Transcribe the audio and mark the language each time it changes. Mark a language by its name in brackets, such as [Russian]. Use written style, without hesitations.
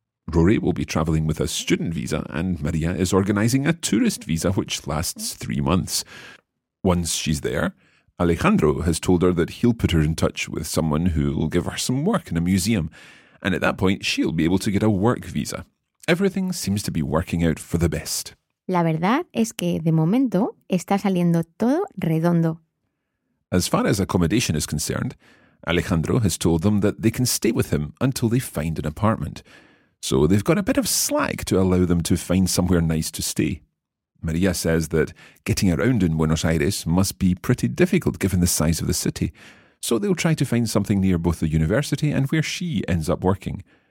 [English] Rory will be travelling with a student visa and Maria is organising a tourist visa which lasts 3 months. Once she's there, Alejandro has told her that he'll put her in touch with someone who will give her some work in a museum. And at that point, she'll be able to get a work visa. Everything seems to be working out for the best. [Spanish] La verdad es que, de momento, está saliendo todo redondo. [English] As far as accommodation is concerned, Alejandro has told them that they can stay with him until they find an apartment. So they've got a bit of slack to allow them to find somewhere nice to stay. Maria says that getting around in Buenos Aires must be pretty difficult given the size of the city, so they'll try to find something near both the university and where she ends up working.